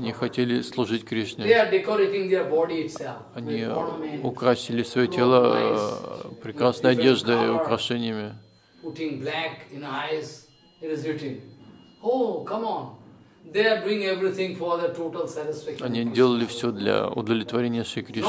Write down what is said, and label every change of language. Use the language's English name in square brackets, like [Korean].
[Russian] Они хотели служить Кришне. [English] They are decorating their body itself. [Russian] Они украсили свое тело прекрасной одеждой, украшениями. [English] Putting black in eyes, it is written. Oh, come on! They are doing everything for the total satisfaction. [Russian] Они делали все для удовлетворения Шри Кришны.